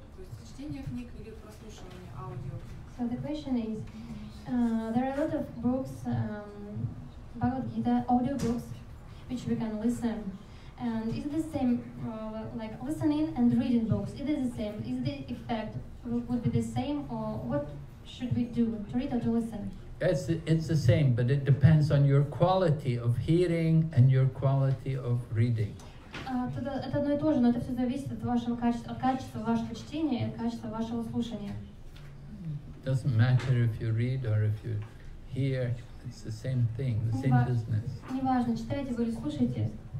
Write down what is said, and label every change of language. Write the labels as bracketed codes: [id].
[ru] То есть чтение книг или прослушивание аудио. [en] So the question is, there are a lot of books, Bhagavad-gita, audio books, which we can listen. And is it the same, like listening and reading books, it is the same, is the effect would be the same, or what should we do, to read or to listen? It's the same, but it depends on your quality of hearing and your quality of reading. [ru] Это одно и то же, но это все зависит от вашего качества, от качества вашего чтения и от качества вашего слушания. [en] It doesn't matter if you read or if you hear, it's the same thing, the same business. [ru] Не важно, читаете вы или слушаете.